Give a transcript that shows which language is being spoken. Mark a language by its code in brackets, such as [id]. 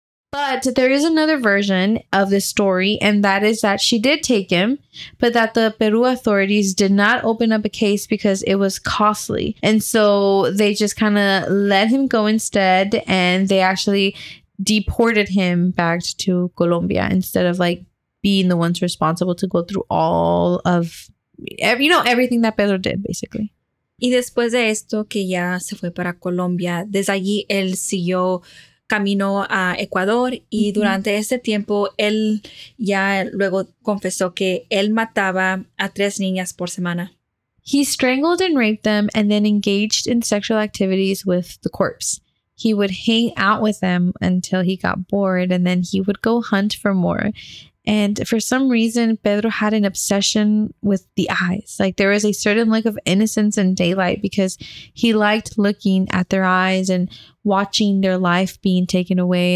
[en] But there is another version of this story, and that is that she did take him, but that the Peru authorities did not open up a case because it was costly. And so they just kind of let him go instead, and they actually deported him back to Colombia instead of, like, being the ones responsible to go through all of, you know, everything that Pedro did, basically. [es] Y después de esto, que ya se fue para Colombia, desde allí él siguió camino a Ecuador y durante ese tiempo él ya luego confesó que él mataba a 3 niñas por semana. [en] He strangled and raped them and then engaged in sexual activities with the corpse. He would hang out with them until he got bored and then he would go hunt for more. And for some reason, Pedro had an obsession with the eyes. Like, there was a certain look of innocence in daylight because he liked looking at their eyes and watching their life being taken away.